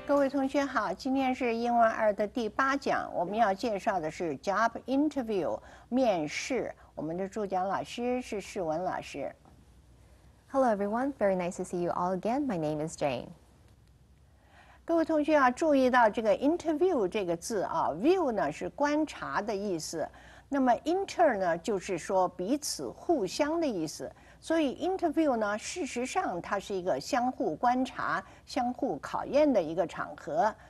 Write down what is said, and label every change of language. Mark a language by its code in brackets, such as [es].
[zh] 同学好，今天是英文二的第八讲，我们要介绍的是 [en] job interview [zh] 面试。我们的助讲老师是世文老师。 [en] Hello everyone, very nice to see you all again. My name is Jane. [zh] 各位同学啊，注意到这个 interview 这个字啊 ，view 呢是观察的意思，那么 inter 呢就是说彼此互相的意思。所以 interview 呢，事实上它是一个相互观察、相互考验的一个场合。